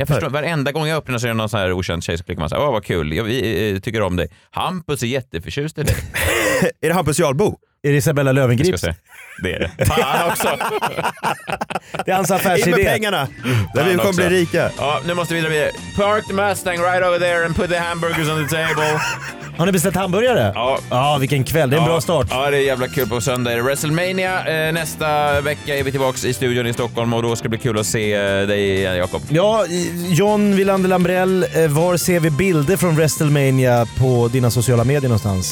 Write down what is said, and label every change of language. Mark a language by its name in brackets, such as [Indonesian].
[Swedish] Jag förstår, varenda gång jag öppnar så är det någon sån här okänd tjej så klickar man så här, åh, vad kul, jag tycker om dig. Hampus är jätteförtjust i dig. Är det Hampus Jarlbo? Är det Isabella Löwengrip? Det är det. Fan också. Det är hans affärsidé. In med pengarna. Där vi kommer också. Bli rika. Ja, nu måste vi vidare. [English] Park the Mustang right over there and put the hamburgers on the table. [Swedish] Har ni beställt hamburgare? Ja. Ja, vilken kväll. Det är en bra start. Ja, det är jävla kul på söndag. WrestleMania. Nästa vecka är vi tillbaka i studion i Stockholm och då ska det bli kul att se dig, Jakob. Ja, John Wilander Lambrell. Var ser vi bilder från WrestleMania på dina sociala medier någonstans?